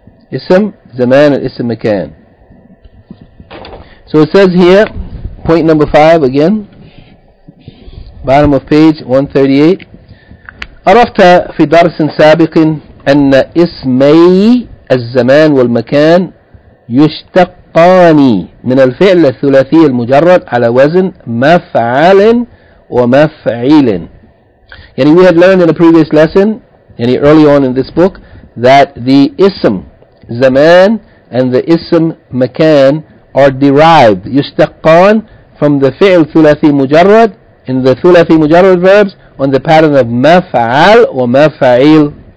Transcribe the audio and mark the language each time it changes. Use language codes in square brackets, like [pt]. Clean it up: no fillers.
[en] Ism zaman and ism makan. So it says here, point number five again, bottom of page 138. [ar] عرفت في درس سابق أن اسمي الزمان والمكان يُشْتَقَّانِ من الفعل الثلاثي المجرد على وزن مفعل ومفعيل. [en] يعني we had learned in a previous lesson, يعني early on in this book, that the ism زمان and the ism مكان are derived, يُشْتَقَّان, from the فعل ثلاثي مجرد in the ثلاثي مجرد verbs on the pattern of مفعل ومفعيل.